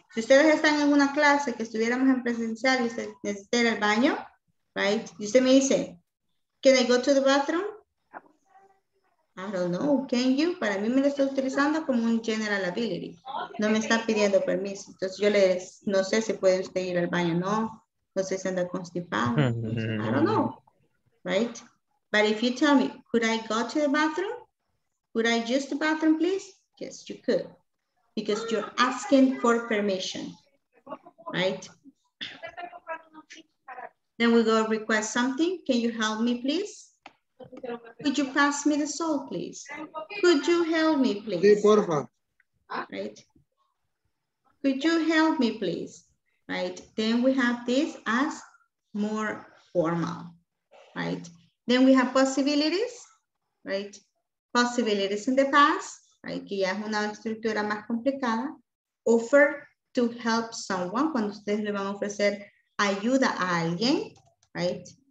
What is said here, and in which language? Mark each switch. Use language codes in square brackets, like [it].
[es] Si ustedes están en una clase que estuviéramos en presencial y usted necesita ir al baño, [en] right? [es] Y usted me dice, [en] can I go to the bathroom? I don't know, can you? [es] Para mí me lo está utilizando como un general ability. No me está pidiendo permiso. Entonces yo le digo, no sé si puede usted ir al baño, no. No sé si anda constipado. Entonces, [en] I don't know, right? But if you tell me, could I go to the bathroom? Could I use the bathroom, please? Yes, you could. Because you're asking for permission, right? Then we go request something. Can you help me, please? Could you pass me the salt, please? Could you help me, please? [es] Sí, porfa. [en] Right? Could you help me, please? Right? Then we have this as more formal, right? Then we have possibilities, right? Possibilities in the past. [es] Right, que ya es una estructura más complicada. [en] Offer to help someone, [es] cuando ustedes le van a ofrecer ayuda a alguien, right?